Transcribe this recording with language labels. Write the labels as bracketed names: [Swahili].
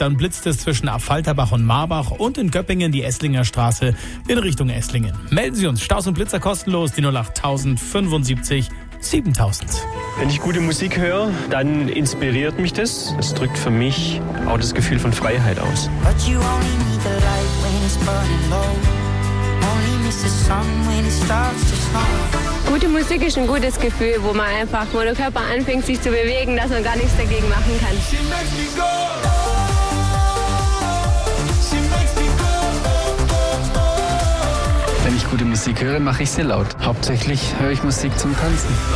[German] Dann blitzt es zwischen Abfalterbach und Marbach und in Köppingen die Esslinger Straße in Richtung Esslingen. Melden Sie uns Staus und Blitzer kostenlos, die 08.075.7000. Wenn ich gute Musik höre, dann inspiriert mich das. Es drückt für mich auch das Gefühl von Freiheit aus. [English] But you only need the light when it's burning low. Only miss the sun when it starts to snow. [German] Gute Musik ist ein gutes Gefühl, wo man einfach, wo der Körper anfängt, sich zu bewegen, dass man gar nichts dagegen machen kann. [English] She makes me go. [German] Wenn ich gute Musik höre, mache ich sie laut. Hauptsächlich höre ich Musik zum Tanzen.